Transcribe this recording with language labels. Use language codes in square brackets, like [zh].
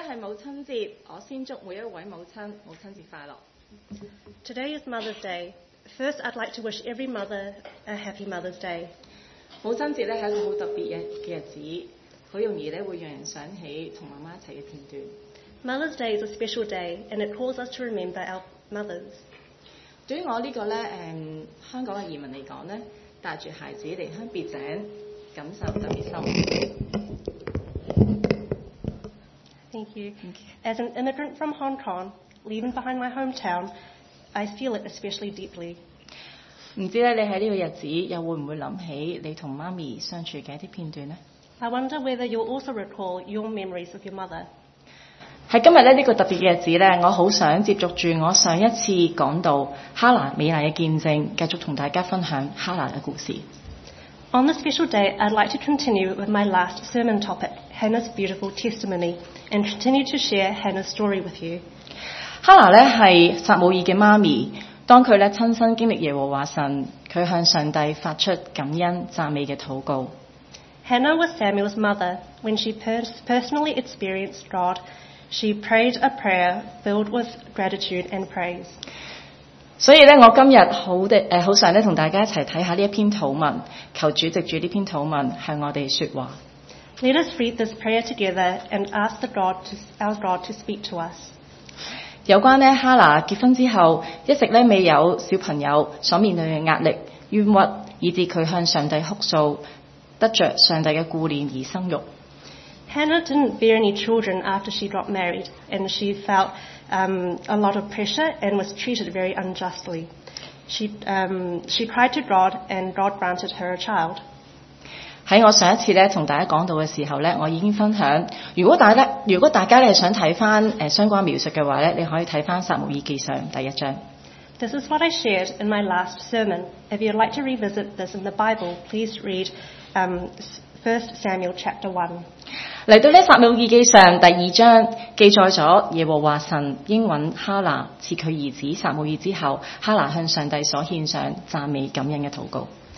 [zh] 是母親節，我先祝每一位母親母親節快樂。 [en] Today is Mother's Day. First, I'd like to wish every mother a happy Mother's Day. [zh] 母親節是一個很特別的日子，很容易會讓人想起和媽媽一起的片段。 [en] Mother's Day is a special day, and it calls us to remember our mothers. [zh] 對於我這個香港的移民來說，帶著孩子離鄉別井，感受特別深。 [en] Thank you. As an immigrant from Hong Kong, leaving behind my hometown, I feel it especially deeply. [zh] 不知道你在這個日子又會不會想起你和媽咪相處的一些片段呢？ [en] I wonder whether you'll also recall your memories of your mother. [zh] 在今天這個特別的日子，我很想接續著我上一次講到哈蘭美麗的見證，繼續跟大家分享哈蘭的故事。 [en] On this special day, I'd like to continue with my last sermon topic, Hannah's beautiful testimony, and continue to share Hannah's story with you. [zh] Hannah 是撒母耳的妈咪，当她亲身经历耶和华神，她向上帝发出感恩赞美的祷告。 [en] Hannah was Samuel's mother. When she personally experienced God, she prayed a prayer filled with gratitude and praise. [zh] 所以我今天 很想跟大家一起看看这篇祷文，求主藉着这篇祷文向我们说话。 [en] Let us read this prayer together and ask our God to speak to us. [zh] 有关哈拿结婚之后一直未有小朋友所面对的压力、冤屈，以致她向上帝哭诉，得着上帝的顾念而生育。 [en] Hannah didn't bear any children after she got married, and she felt a lot of pressure and was treated very unjustly. She cried to God, and God granted her a child. [zh] 在我上一次跟大家讲到的时候，我已经分享，如果大家想看回相关描述的话，你可以看回《撒母耳记上》第一章。 [en] This is what I shared in my last sermon. If you'd like to revisit this in the Bible, please read 1 Samuel chapter 1. [zh] 来到《撒母耳记上》第二章，记载了耶和华神应允哈拿赐他儿子撒母耳之后，哈拿向上帝所献上赞美感恩的祷告。